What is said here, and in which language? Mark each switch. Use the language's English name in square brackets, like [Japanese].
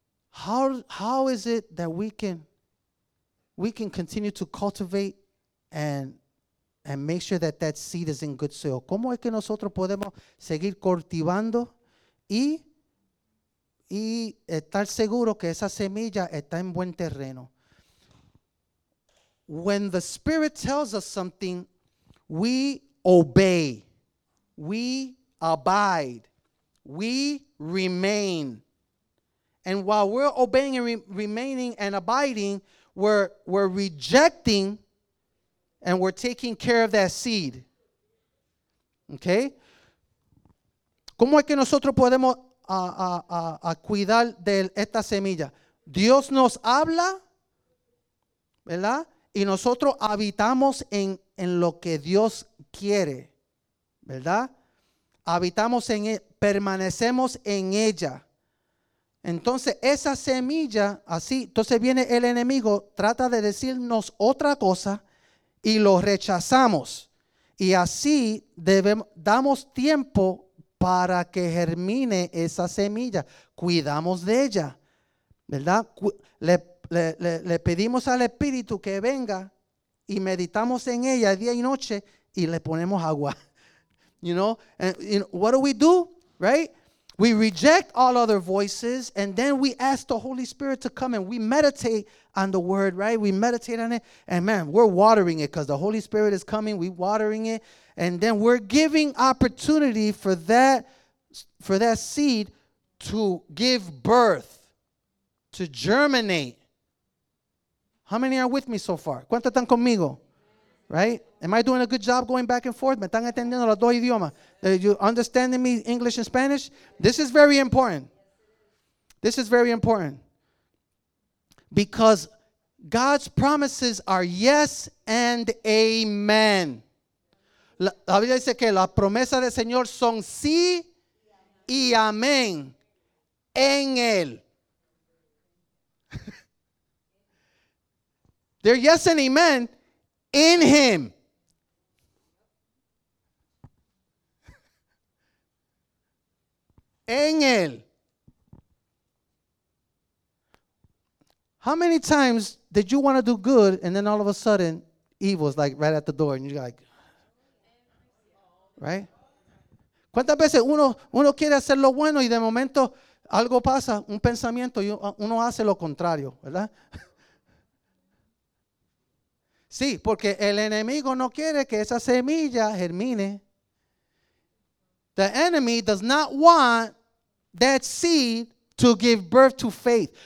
[English] How is it that we can continue to cultivate and make sure that seed is in good soil? [Spanish] ¿Cómo es que nosotros podemos seguir cultivando y estar seguro que esa semilla está en buen terreno? [English] When the Spirit tells us something, we obey, we abide, we remain. And while we're obeying and remaining and abiding, we're rejecting and we're taking care of that seed. Okay? [Spanish] ¿Cómo es que nosotros podemos cuidar de esta semilla? Dios nos habla, ¿verdad? Y nosotros habitamos en lo que Dios quiere, ¿verdad? Habitamos en él, permanecemos en ella. Entonces, esa semilla, así, entonces viene el enemigo, trata de decirnos otra cosa y lo rechazamos. Y así damos tiempo para que germine esa semilla. Cuidamos de ella, ¿verdad? Le pedimos al Espíritu que venga y meditamos en ella día y noche y le ponemos agua. [English] You know? And what do? Right? We reject all other voices, and then we ask the Holy Spirit to come and we meditate on the word, right? We meditate on it, and man, we're watering it because the Holy Spirit is coming. We're watering it, and then we're giving opportunity for that seed to give birth, to germinate. How many are with me so far? [Spanish] ¿Cuántos están conmigo? Right? [English] Am I doing a good job going back and forth? [Spanish] ¿Me están entendiendo los dos idiomas? [English] Are you understanding me, English and Spanish? This is very important. This is very important. Because God's promises are yes and amen. [Spanish] La Biblia dice que las promesas del Señor son sí y amén en él. [English] They're yes and amen in him. [Spanish] En él. [English] How many times did you want to do good and then all of a sudden evil is like right at the door and you're like, right? [Spanish] ¿Cuántas veces uno quiere hacer lo bueno y de momento algo pasa, un pensamiento y uno hace lo contrario, ¿verdad? Sí, porque el enemigo no quiere que esa semilla germine. [English] The enemy does not want that seed to give birth to faith.